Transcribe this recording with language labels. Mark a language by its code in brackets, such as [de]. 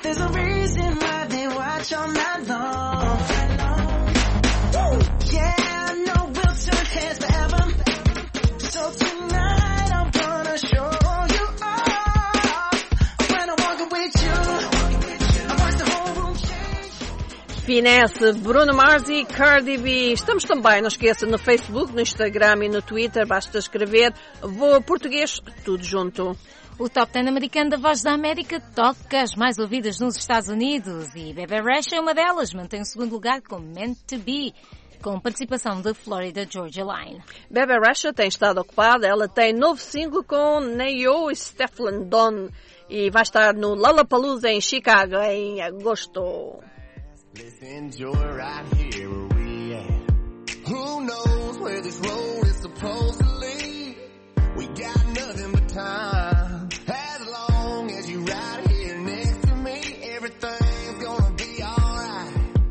[en] There's a reason why they watch all night long. Woo! Yeah, I know we'll turn heads forever. So tonight I'm gonna show. Off. When I'm walking with you, I watch the whole room change. [pt] Finesse, Bruno Mars e Cardi B. Estamos também, não esqueça, no Facebook, no Instagram e no Twitter. Basta escrever Voa Português, tudo junto. O Top 10 americano da Voz da América toca as mais ouvidas nos Estados Unidos. E Bebe Rexha é uma delas. Mantém o segundo lugar com Meant to Be, com participação da Florida Georgia Line. Bebe Rexha tem estado ocupada. Ela tem novo single com Neo e Stefflon Don. E vai estar no Lollapalooza em Chicago em agosto. [en] Let's enjoy right here where we at. Who knows where this road is supposed to lead? We got nothing but time. As long as you're right here next to me, everything's gonna be alright.